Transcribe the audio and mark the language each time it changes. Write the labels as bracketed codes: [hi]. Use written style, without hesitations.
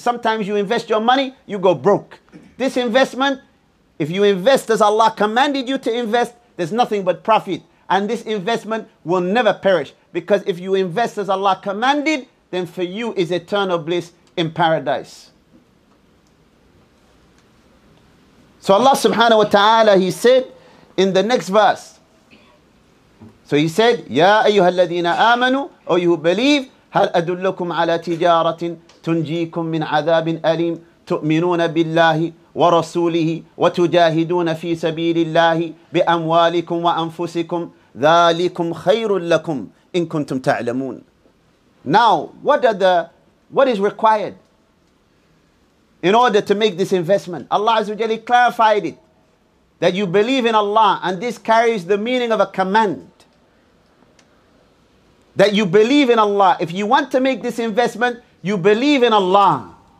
[en] Sometimes you invest your money, you go broke. This investment, if you invest as Allah commanded you to invest, there's nothing but profit. And this investment will never perish. Because if you invest as Allah commanded, then for you is eternal bliss in paradise. So Allah subhanahu wa ta'ala, he said in the next verse. So he said, Ya ayyuhalladhina amanu, O you who believe, [ar] هَلْ أَدُلُّكُمْ عَلَى تِجَارَةٍ تُنْجِيكُمْ مِنْ عَذَابٍ أَلِيمٍ تُؤْمِنُونَ بِاللَّهِ وَرَسُولِهِ وَتُجَاهِدُونَ فِي سَبِيلِ اللَّهِ بِأَمْوَالِكُمْ وَأَنفُسِكُمْ ذَلِكُمْ خَيْرٌ لَكُمْ إِن كُنْتُمْ تَعْلَمُونَ. [en] Now, what is required in order to make this investment? Allah Azza wa Jalla clarified it, that you believe in Allah, and this carries the meaning of a command. That you believe in Allah. If you want to make this investment, you believe in Allah.